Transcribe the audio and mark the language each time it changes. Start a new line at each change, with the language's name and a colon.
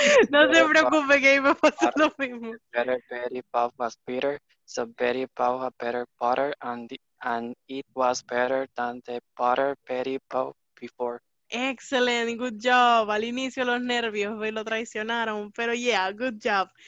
Spanish: No se preocupe, que ahí me pasó lo mismo.
English: Better, very beautiful was Peter. So very beautiful had better butter and it was better than the butter very beautiful before. Excellent, good job.
Spanish: Al inicio los nervios me lo traicionaron, pero
English: yeah, good job.